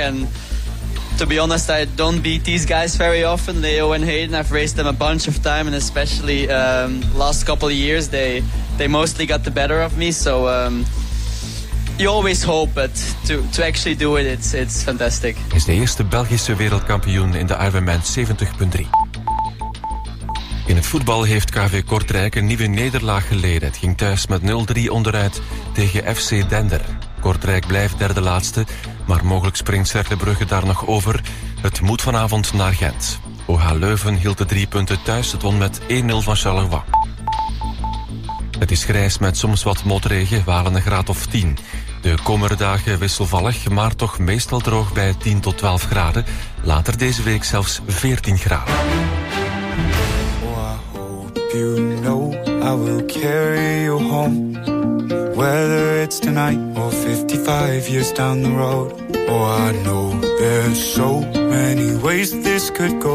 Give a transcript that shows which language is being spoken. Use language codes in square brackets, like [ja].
[en] And to be honest, I don't beat these guys very often, Leo and Hayden. I've raced them a bunch of time and especially last couple of years, they mostly got the better of me. So you always hope, but to actually do it, it's fantastic. [nl] Hij is de eerste Belgische wereldkampioen in de Ironman 70.3. In het voetbal heeft KV Kortrijk een nieuwe nederlaag geleden. Het ging thuis met 0-3 onderuit tegen FC Dender. Kortrijk blijft derde laatste, maar mogelijk springt Cercle Brugge daar nog over. Het moet vanavond naar Gent. OH Leuven hield de 3 punten thuis. Het won met 1-0 van Charleroi. Het is grijs met soms wat motregen, waren een graad of 10. De komende dagen wisselvallig, maar toch meestal droog bij 10 tot 12 graden. Later deze week zelfs 14 graden. [en] Oh, I hope you know I will carry you home. Whether it's tonight or 55 years down the road. Oh, I know there's so many ways this could go.